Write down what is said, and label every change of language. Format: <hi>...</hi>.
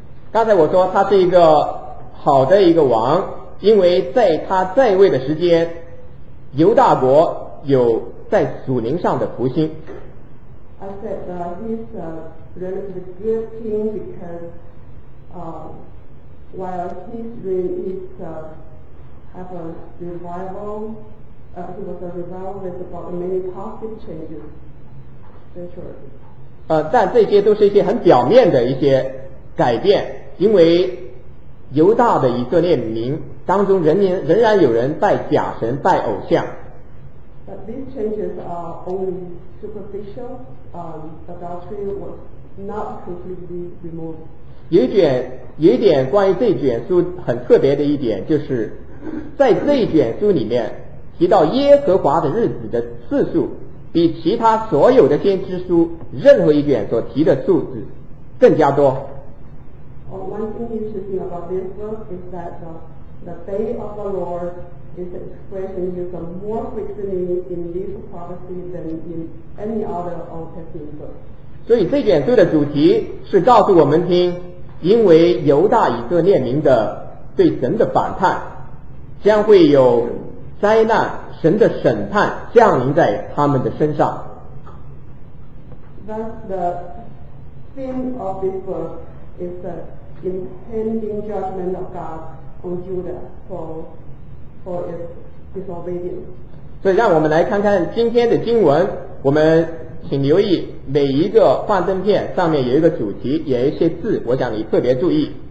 <zh>刚才我说他是一个好的一个王，因为在他在位的时间，犹大国有在属灵上的复兴。</zh> <en>I said that he's a relatively good king because, while his reign is have a revival. He was a revivalist about many positive changes, spiritually.</en> <zh>但这些都是一些很表面的一些改变，因为犹大的以色列民当中仍然有人拜假神、拜偶像。</zh> <en>But these changes are only superficial. Adultery was not completely removed.</en> <zh>有一点关于这卷书很特别的一点，就是在这卷书里面。提到耶和华的日子的次数比其他所有的先知书任何一卷所提的数字更加多。</zh> <en>One thing interesting about this book is that the day of the Lord is an expression used more frequently in this prophecy than in any other Old Testament book.</en> <zh>所以这卷书的主题是告诉我们听，因为犹大以色列民的对神的反叛，将会有灾难，神的审判降临在他们的身上。</zh> <en>Thus, the theme of this book is the impending judgment of God on Judah for its disobedience.</en> <zh>所以，让我们来看看今天的经文。我们请留意每一个幻灯片上面有一个主题，有一些字，我想你特别注意。</zh>